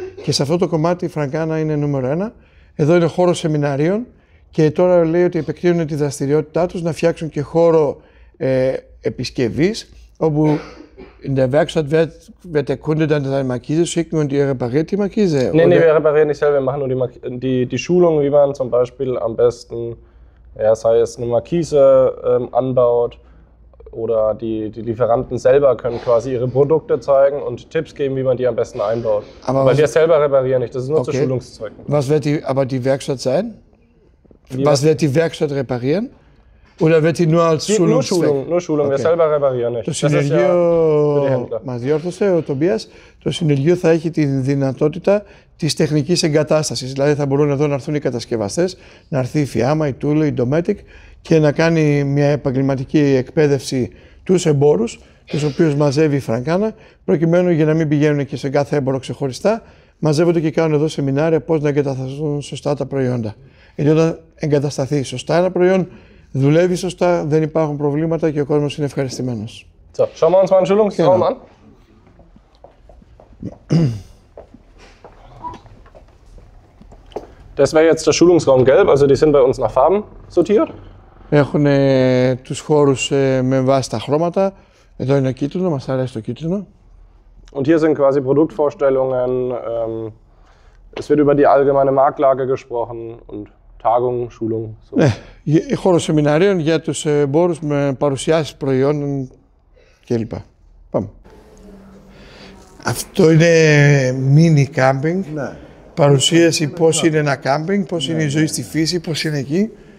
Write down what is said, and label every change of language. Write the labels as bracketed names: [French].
[Greek] Και σε αυτό το κομμάτι η Φρανκάνα είναι νούμερο ένα. Εδώ είναι χώρο σεμιναρίων και τώρα λέει ότι επεκτείνουν τη δραστηριότητά τους να φτιάξουν και χώρο επισκευής, όπου [German] in der Werkstatt wird der Kunde dann seine Markise schicken und die repariert die Markise. Nein, nee, wir reparieren nicht selber, wir machen nur die, die Schulung, wie man zum Beispiel am besten, ja, sei es eine Markise anbaut oder die Lieferanten selber können quasi ihre Produkte zeigen und Tipps geben, wie man die am besten einbaut. Aber weil wir selber reparieren nicht, das ist nur okay. Zu Schulungszwecken. Was wird die, aber die Werkstatt sein? Was wird die Werkstatt reparieren? Oder wird die nur als Schulung? Nur Schulung. Okay. Wir selber reparieren nicht. [Greek] Das Synergio, μας διόρθωσε ο Τομπίας, το συνεργείο θα έχει τη δυνατότητα της τεχνικής εγκατάστασης. Δηλαδή θα μπορούν εδώ να έρθουν οι κατασκευαστές, να έρθει η Fiamma, η Tool, η Dometic και να κάνει μια επαγγελματική εκπαίδευση τους εμπόρους, τους οποίους μαζεύει η Φρανκάνα, προκειμένου για να μην πηγαίνουν και σε κάθε έμπορο ξεχωριστά, μαζεύονται και κάνουν εδώ σεμινάρια πώς να εγκατασταθούν σωστά τα προϊόντα. Γιατί όταν εγκατασταθεί σωστά ένα προϊόν, δουλεύει σωστά, δεν υπάρχουν προβλήματα και ο κόσμος είναι ευχαριστημένος. [German] So, schauen wir uns mal einen Schulungsraum an. Das wäre jetzt der Schulungsraum gelb, also die sind bei uns nach Farben sortiert. [Greek] Έχουν τους χώρους με βάση τα χρώματα. Εδώ είναι κίτρινο, μας αρέσει το κίτρινο. [German] Und hier sind quasi Produktvorstellungen. Es wird über die allgemeine Marktlage gesprochen und Tagung, Schulung. So. [Greek] Ναι, χώρο σεμιναρίων για τους εμπόρους με παρουσιάσεις προϊόντων κλπ. Πάμε. Αυτό είναι mini camping. Ναι. Παρουσίαση πώς είναι ένα camping, πώς είναι η ζωή στη φύση, πώς είναι εκεί.